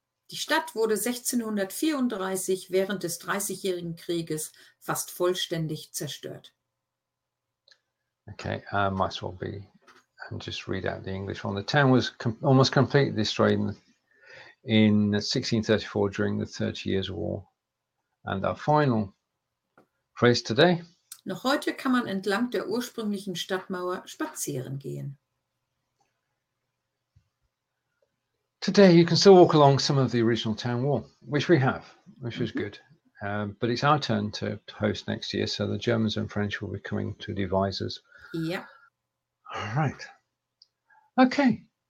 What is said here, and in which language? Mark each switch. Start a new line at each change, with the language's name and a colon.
German: Die Stadt wurde 1634 während des Dreißigjährigen Krieges fast vollständig zerstört.
English: Okay, might as well be, and just read out the English one. The town was almost completely destroyed in 1634 during the 30 Years' War. And our final phrase today.
German: Noch heute kann man entlang der ursprünglichen Stadtmauer spazieren gehen.
English: Today you can still walk along some of the original town wall, which we have, which mm-hmm. is good. But it's our turn to host next year, so the Germans and French will be coming to the Weisers. Yeah. All right. Okay.